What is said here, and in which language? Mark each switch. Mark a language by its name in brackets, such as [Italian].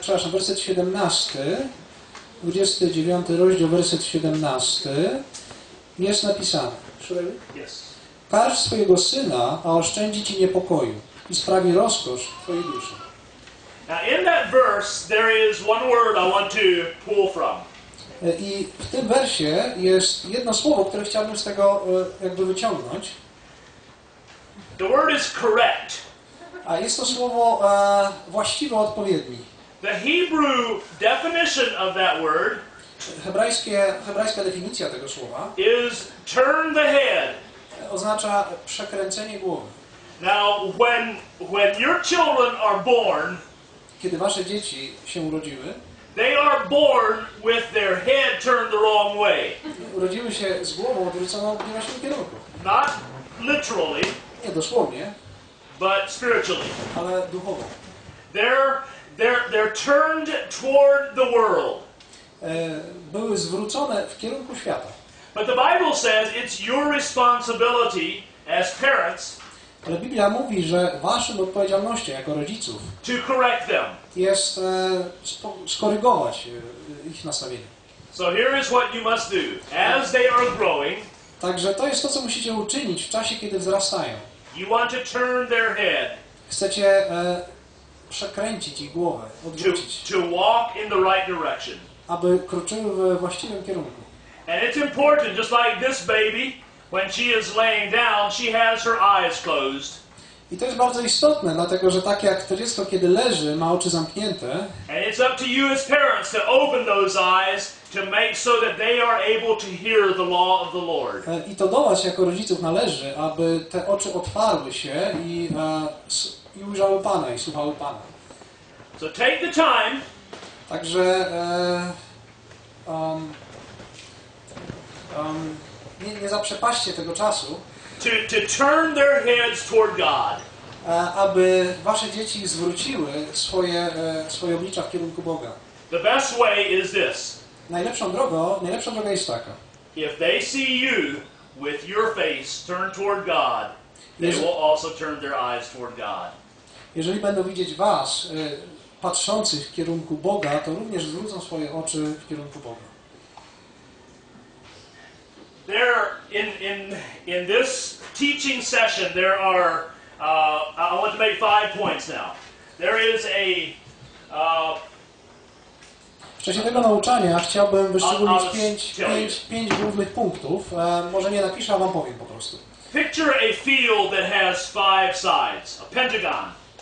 [Polish] Przepraszam, werset 17, 29 rozdział, werset 17, jest napisane. [English] Yes. [Polish] Karcz swojego syna, a oszczędzi ci niepokoju i sprawi rozkosz twojej duszy. [English] Now in that verse there is one word I want to pull from. [Polish] I w tym wersie jest jedno słowo, które chciałbym z tego jakby wyciągnąć. [English] The word is correct. [Polish] A jest to słowo właściwe, odpowiednie. [English] The Hebrew definition of that word. [Polish] Hebrajska definicja tego słowa [English] is turn the head. [Polish] Oznacza przekręcenie głowy. [English] Now, when your children are born, [Polish] kiedy wasze dzieci się urodziły, [English] they are born with their head turned the wrong way. [Polish] Urodziły się z głową odwróconą w naszym kierunku. [English] Not literally, [Polish] nie dosłownie, [English] but spiritually. [Polish] Ale duchowo. [English] They're turned toward the world. [Polish] Były zwrócone w kierunku świata. [English] But the Bible says it's your responsibility as parents. [Polish] Ale Biblia mówi, że waszym odpowiedzialnością jako rodziców [English] to correct them. [Polish] Jest skorygować ich nastawienie. [English] So here is what you must do as they are growing. [Polish] Także to jest to, co musicie uczynić w czasie, kiedy wzrastają. [English] You want to turn their head. [Polish] Chcecie przekręcić ich głowę, odwrócić. [English] To walk in the right direction. [Polish] Aby kroczyły w właściwym kierunku. [English] And it's important, just like this baby, when she is laying down, she has her eyes closed. [Polish] I to jest bardzo istotne, dlatego że tak jak to dziecko, kiedy leży, ma oczy zamknięte. [English] And it's up to you as parents to open those eyes to make so that they are able to hear the law of the Lord. [Polish] I to do was jako rodziców należy, aby te oczy otwarły się i ujrzały Pana i słuchały Pana. [English] So take the time. [Polish] Także nie zaprzepaście tego czasu, [English] to turn their heads toward God. [Polish] Aby wasze dzieci zwróciły swoje oblicza w kierunku Boga. [English] The best way is this. [Polish] Najlepsza droga jest taka. [English] If they see you with your face turned toward God, they will also turn their eyes toward God. [Polish] Jeżeli będą widzieć was patrzących w kierunku Boga, to również zwrócą swoje oczy w kierunku Boga. [English] There in this teaching session there are I want to make 5 points now. There is a [Polish] w czasie tego nauczania chciałbym wyszczególnić pięć głównych punktów. Może nie napiszę, a wam powiem po prostu. [English] Picture a field that has 5 sides, a pentagon.